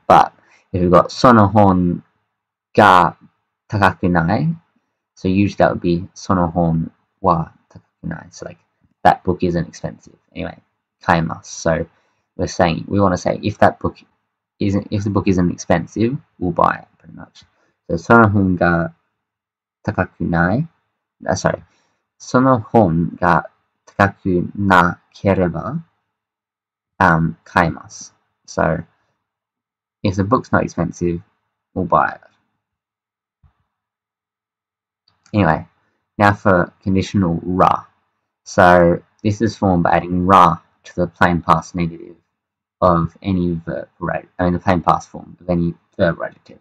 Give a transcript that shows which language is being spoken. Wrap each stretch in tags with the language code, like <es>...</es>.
<en>But if you've got</en> <ja>sono hon ga takakunai,</ja> <en>so usually that would be</en> <ja>sono hon wa takakunai.</ja> <en>So, like, that book isn't expensive. Anyway,</en> <ja>kaimasu.</ja> <en>So we're saying, we want to say, if that book isn't, if the book isn't expensive, we'll buy it, pretty much. So,</en> <ja>sono hon ga takakunai,</ja> <en>sorry,</en> <ja>sono hon ga takakunakereba, kaimasu.</ja> <en>So, if the book's not expensive, we'll buy it. Anyway, now for conditional ra. So, this is formed by adding ra to the plain past negative of any verb, right? I mean, the plain past form of any verb or adjective.</en>